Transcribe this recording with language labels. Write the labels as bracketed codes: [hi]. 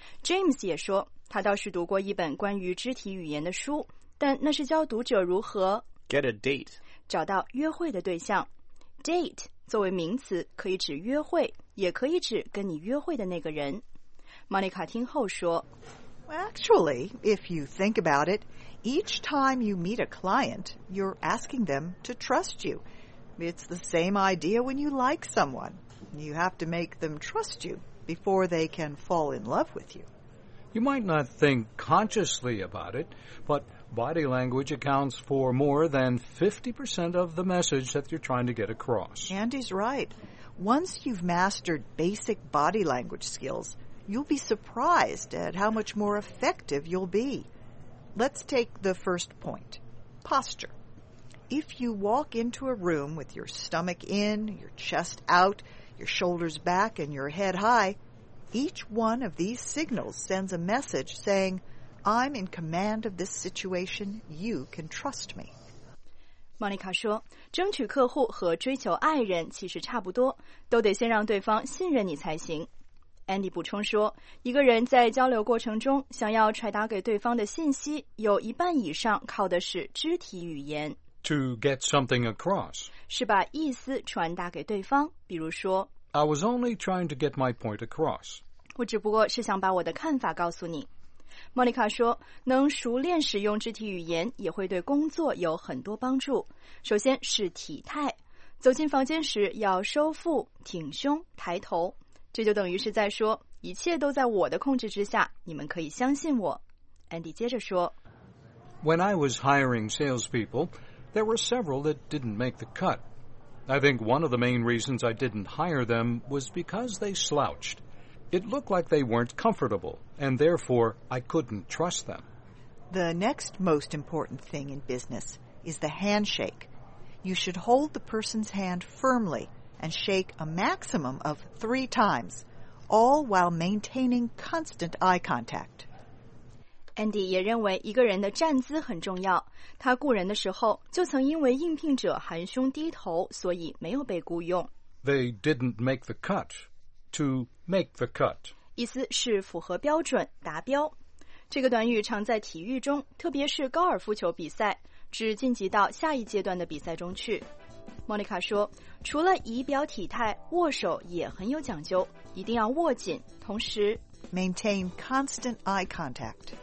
[zh] James 也说他倒是读过一本关于肢体语言的书，但那是教读者如何 [en] get a date. [zh] 找到约会的对象。 Date 作为名词可以指约会，也可以指跟你约会的那个人。 Monica 听后说 [en] Actually, if you think about it,Each time you meet a client, you're asking them to trust you. It's the same idea when you like someone. You have to make them trust you before they can fall in love with you. You might not think consciously about it, but body language accounts for more than 50% of the message that you're trying to get across. Andy's right. Once you've mastered basic body language skills, you'll be surprised at how much more effective you'll be. Let's take the first point, posture. If you walk into a room with your stomach in, your chest out, your shoulders back, and your head high, each one of these signals sends a message saying, I'm in command of this situation, you can trust me. [zh] Monica 说，争取客户和追求爱人其实差不多，都得先让对方信任你才行。 Andy 补充说，一个人在交流过程中想要传达给对方的信息，有一半以上靠的是肢体语言。 [en] To get something across. [zh] 是把意思传达给对方，比如说 [en] I was only trying to get my point across. [zh] 我只不过是想把我的看法告诉你。 Monica 说，能熟练使用肢体语言也会对工作有很多帮助。首先是体态，走进房间时要收腹、挺胸、抬头。这就等于是在说，一切都在我的控制之下，你们可以相信我。 Andy 接着说 [en] When I was hiring salespeople, there were several that didn't make the cut. I think one of the main reasons I didn't hire them was because they slouched. It looked like they weren't comfortable, and therefore I couldn't trust them. The next most important thing in business is the handshake. You should hold the person's hand firmly. And shake a maximum of 3 times, all while maintaining constant eye contact. [zh] Andy 也认为一个人的站姿很重要。他雇人的时候就曾因为应聘者含胸低头，所以没有被雇用。 [en] They didn't make the cut. To make the cut. [zh] 意思是符合标准，达标。这个短语常在体育中，特别是高尔夫球比赛，指晋级到下一阶段的比赛中去。莫妮卡说，除了仪表体态，握手也很有讲究，一定要握紧，同时 [en] maintain constant eye contact，